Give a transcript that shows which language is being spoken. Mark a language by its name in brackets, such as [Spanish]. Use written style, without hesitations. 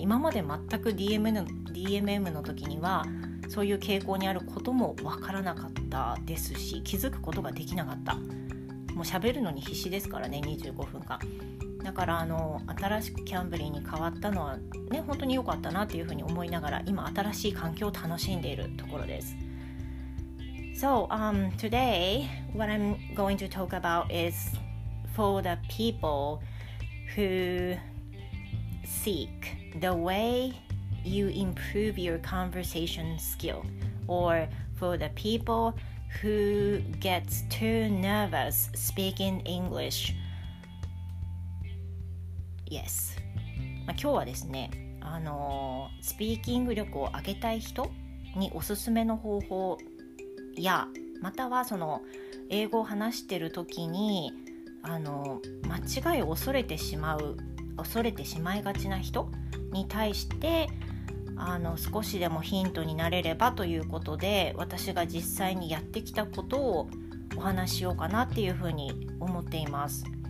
[Japanese] 今まで全く DMM の時にはそういう傾向にあることもわからなかったですし、気づくことができなかった。もう喋るのに必死ですからね、25分間。だから新しくキャンブリーに変わったのはね、本当に良かったなっていうふうに思いながら、今新しい環境を楽しんでいるところです。 [English] So today what I'm going to talk about is for the people who seek the way you improve your conversation skill, or for the people who gets too nervous speaking EnglishYes. [Japanese] 今日はですね、スピーキング力を上げたい人におすすめの方法や、またはその英語を話してる時に間違いを恐れてしまいがちな人に対して、少しでもヒントになれればということで、私が実際にやってきたことをお話しようかなっていうふうに思っています。